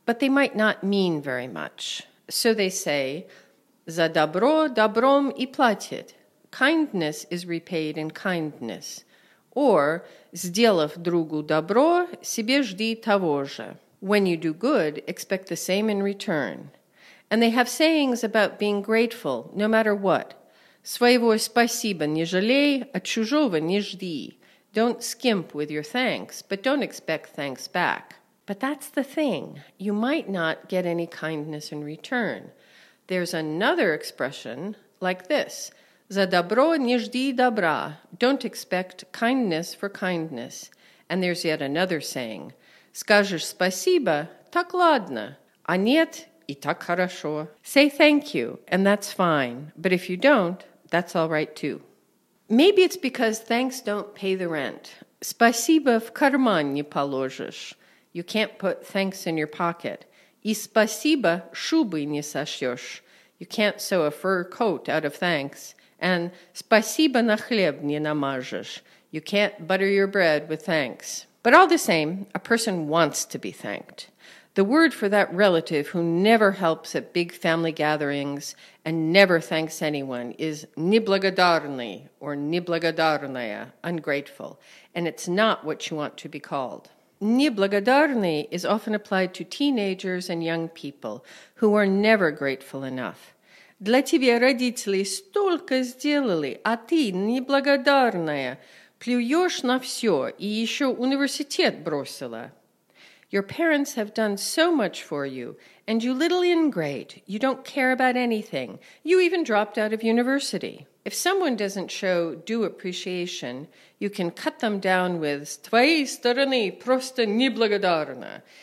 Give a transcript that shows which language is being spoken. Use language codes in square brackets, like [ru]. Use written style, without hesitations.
[en] But they might not mean very much. So they say, [ru] «За добро добром и платит» [en] – «Kindness is repaid in kindness». Or, [ru] «Сделав другу добро, себе жди того же» [en] – «When you do good, expect the same in return». And they have sayings about being grateful, no matter what. [ru] Своего спасибо не жалей, а чужого не жди. [en] Don't skimp with your thanks, but don't expect thanks back. But that's the thing. You might not get any kindness in return. There's another expression like this. [ru] За добро не жди добра. [en] Don't expect kindness for kindness. And there's yet another saying. [ru] Скажешь спасибо, так ладно. А нет, и так хорошо. [en] Say thank you, and that's fine. But if you don't, that's all right too. Maybe it's because thanks don't pay the rent. [ru] Спасибо в карман не положишь. [en] You can't put thanks in your pocket. [ru] И спасибо шубы не сошьешь. [en] You can't sew a fur coat out of thanks. And [ru] спасибо на хлеб не намажешь. [en] You can't butter your bread with thanks. But all the same, a person wants to be thanked. The word for that relative who never helps at big family gatherings and never thanks anyone is неблагодарный or неблагодарная, ungrateful. And it's not what you want to be called. Неблагодарный is often applied to teenagers and young people who are never grateful enough. [ru] Для тебя родители столько сделали, а ты неблагодарная. Плюешь на все и еще университет бросила. [en] Your parents have done so much for you, and you little ingrate, you don't care about anything. You even dropped out of university. If someone doesn't show due appreciation, you can cut them down with [ru] «С твоей стороны просто неблагодарна».